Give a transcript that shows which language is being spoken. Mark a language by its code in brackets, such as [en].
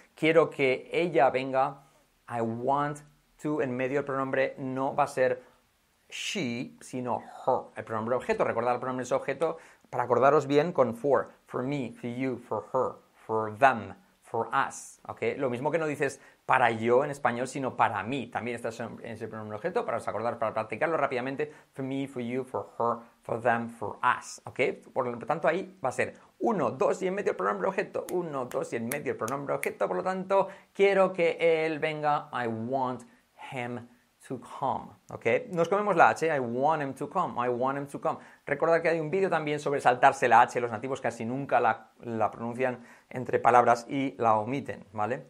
[es] Quiero que ella venga, [en] I want to, [es] en medio el pronombre no va a ser she, sino her, el pronombre objeto. Recordar el pronombre es objeto. Para acordaros bien con [en] for me, for you, for her, for them, for us, [es] ¿ok? Lo mismo que no dices para yo en español, sino para mí. También está en ese pronombre objeto, para os acordar, para practicarlo rápidamente. [en] For me, for you, for her, for them, for us. [es] ¿Ok? Por lo tanto, ahí va a ser 1, 2 y en medio el pronombre objeto. 1, 2 y en medio el pronombre objeto. Por lo tanto, quiero que él venga. [en] I want him to come. ¿Ok? [es] Nos comemos la H. [en] I want him to come. I want him to come. [es] Recordad que hay un vídeo también sobre saltarse la H. Los nativos casi nunca la pronuncian entre palabras y la omiten, ¿vale?